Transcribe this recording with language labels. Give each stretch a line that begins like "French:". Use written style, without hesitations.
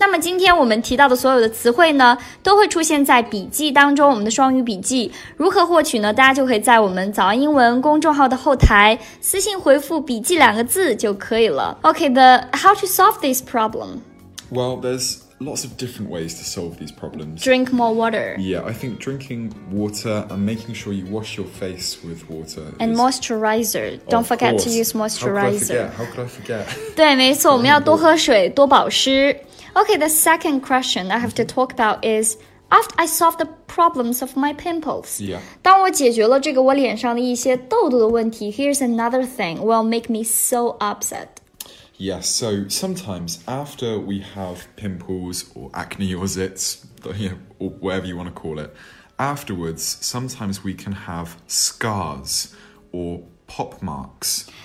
Chinese: 那么今天我们提到的所有的词汇呢，都会出现在笔记当中，我们的双语笔记。如何获取呢？大家就可以在我们早安英文公众号的后台私信回复笔记两个字就可以了。
English: Okay, how to solve this problem? Well, there'slots of different ways to solve these problems. Drink more water. Yeah, I think drinking water and making sure you wash your face with water. And moisturizer. Don't forget to use moisturizer. How could I forget?
Chinese: 对，没错，我们要多喝水，多保湿。
English: Okay, the second question I have to talk about is, after I solve the problems of my pimples. Yeah.
Chinese: 当我解决了这个我脸上的一些痘痘的问题，
English: here's another thing will make me so upset. Yes, so sometimes after we have pimples or acne or zits, or whatever you want to call it, afterwards, sometimes we can have scars or pop marks.